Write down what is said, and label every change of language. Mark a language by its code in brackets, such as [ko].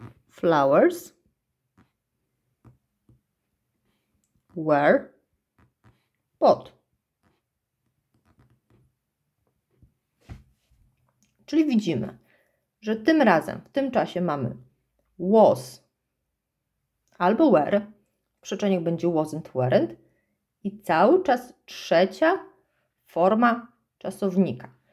[en] Flowers were bought. [pl] Czyli widzimy, że tym razem, w tym czasie mamy was albo were. Przyczynek będzie wasn't, weren't. I cały czas trzecia forma czasownika.